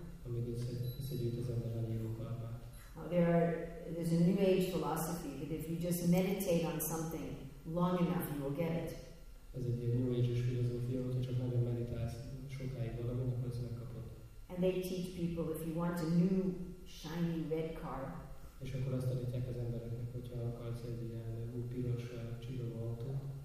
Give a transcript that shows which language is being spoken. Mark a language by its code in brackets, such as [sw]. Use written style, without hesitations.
[hu] Amíg összegyűjt az ember annyi jó karmát. [en] There's a new age philosophy that if you just meditate on something long enough, you will get it. [hu] Ez egy ilyen new age-es filozófia, hogy csak nagyon meditálsz sokáig valamit, akkor ezt megkapod. [en] And they teach people if you want a new shiny red car. [hu] És akkor azt tanítják az embereknek, hogyha akarsz egy ilyen új piros csillogó autót.